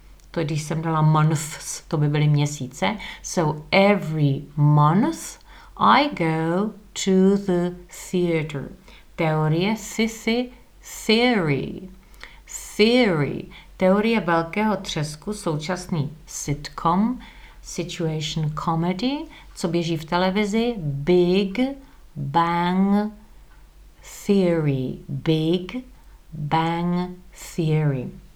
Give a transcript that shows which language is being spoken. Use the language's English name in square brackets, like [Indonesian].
[Czech] To když jsem dala months, to by byly měsíce. [English] So every month I go to the theater. Teorie, sisi, theory. Theory. [Czech] Teorie velkého třesku, současný sitcom, [English] situation comedy, [Czech] co běží v televizi, Big Bang Theory. [English] Big Bang Theory.